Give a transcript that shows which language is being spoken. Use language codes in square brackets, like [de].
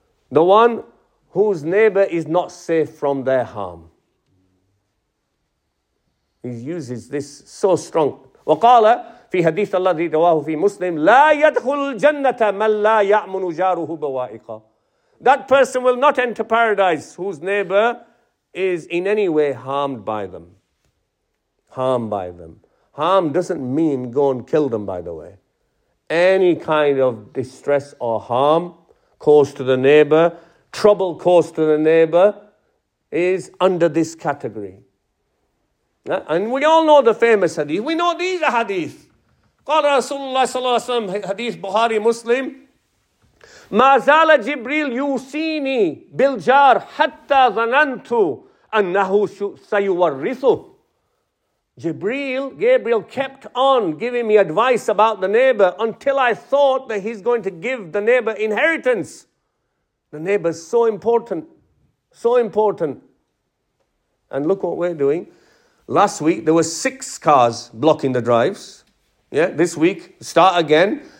[en] The one whose neighbor is not safe from their harm. He uses this so strong. [ar] وقال في حديث الذي رواه في مسلم لا يدخل الجنة من لا يأمن جاره بوائقه. [en] That person will not enter paradise whose neighbor is in any way harmed by them. Harmed by them. Harm doesn't mean go and kill them, by the way. Any kind of distress or harm caused to the neighbor, trouble caused to the neighbor, is under this category. And we all know the famous hadith. We know these are hadith. [ar] قال رسول الله صلى الله عليه وسلم حديث بخاري مسلم ما زال جبريل يوصيني بالجار حتى ظننت أنه سيورثه. [en] Gabriel kept on giving me advice about the neighbor until I thought that he's going to give the neighbor inheritance. The neighbor is so important. So important. And look what we're doing. Last week, there were 6 cars blocking the drives. Yeah, this week, start again.